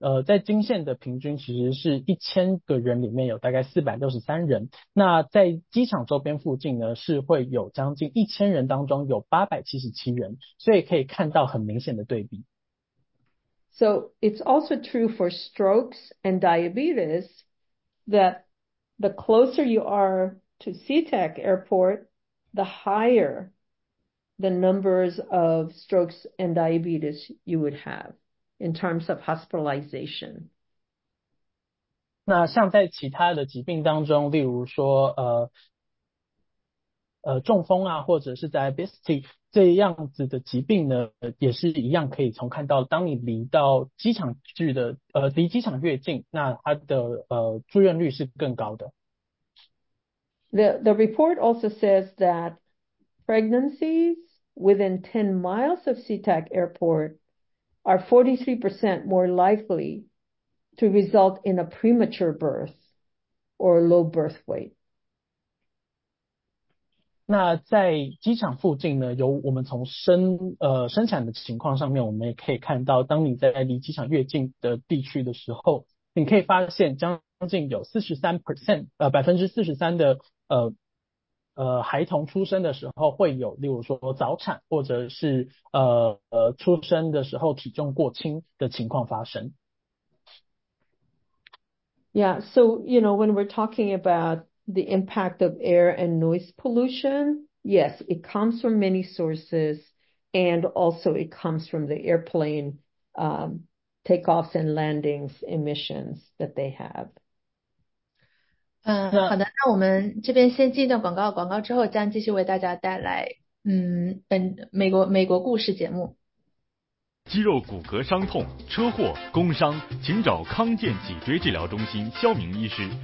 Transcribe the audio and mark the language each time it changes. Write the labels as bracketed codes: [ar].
[zh] 在金县的平均其实是1000个人里面有大概463人，那在机场周边附近呢是会有将近1000人当中有877人，所以可以看到很明显的对比。 [en] So it's also true for strokes and diabetes that the closer you are to SeaTac Airport, the higher the numbers of strokes and diabetes you would haveIn terms of hospitalization. [zh] 那像在其他的疾病当中，例如说中风啊，或者是在 obesity 这样子的疾病呢，也是一样可以从看到，当你离到机场距的离机场越近，那它的住院率是更高的。 [en] The report also says that pregnancies within 10 miles of SeaTac Airport are 43% more likely to result in a premature birth or low birth weight. [zh] 那在机场附近呢，有我们从生产的情况上面，我们也可以看到，当你在离机场越近的地区的时候，你可以发现将近有 43%， 43% 的孩童出生的时候会有例如说早产或者是出生的时候体重过轻的情况发生。 [en] Yeah, so, you know, when we're talking about the impact of air and noise pollution, yes, it comes from many sources and also it comes from the airplane takeoffs and landings emissions that they have. [zh] 好的，那我们这边先进一段广告，广告之后将继续为大家带来美国故事节目。肌肉骨骼伤痛、车祸、工伤，请找康健脊椎治疗中心肖明医师。